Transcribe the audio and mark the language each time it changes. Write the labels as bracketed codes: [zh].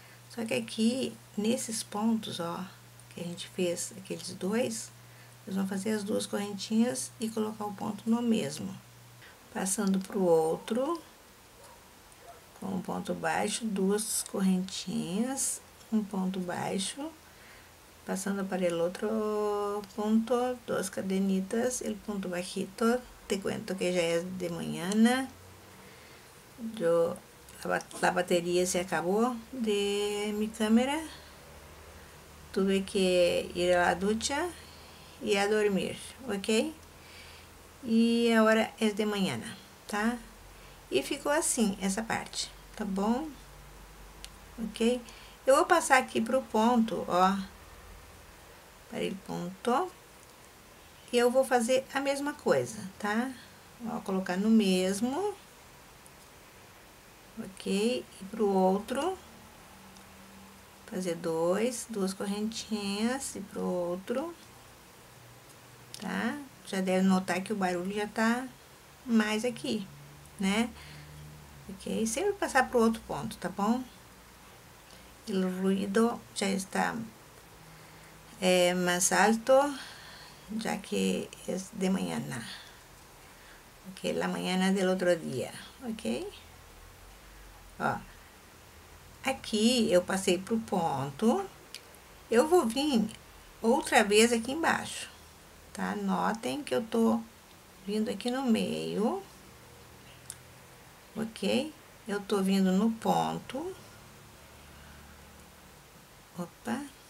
[pt] Só que aqui, nesses pontos, ó, que a gente fez aqueles 2, nós vamos fazer as 2 correntinhas e colocar o ponto no mesmo. Passando pro outro, com um ponto baixo, 2 correntinhas, um ponto baixo. [es] Passando para el otro punto, 2 cadenitas, el punto bajito. Te cuento que ya es de mañana. Yo, la batería se acabó de mi cámara. Tuve que ir a la ducha y a dormir, ¿ok? Y ahora es de mañana, ¿tá? Y ficou así esa parte, ¿tá bom? ¿Ok? Yo voy a pasar aquí pro punto, ó. [pt] Para ele ponto. E eu vou fazer a mesma coisa, tá? Vou colocar no mesmo. Ok? E pro outro. Fazer 2 correntinhas. E pro outro. Tá? Já deve notar que o barulho já tá mais aqui, né? Ok? Sempre passar pro outro ponto, tá bom? E o ruído já está... É mais alto, já que é de manhã, ok? [es] La mañana del otro día, ok? [pt] Ó, aqui eu passei pro ponto, eu vou vir outra vez aqui embaixo, tá? Notem que eu tô vindo aqui no meio, ok? Eu tô vindo no ponto, opa.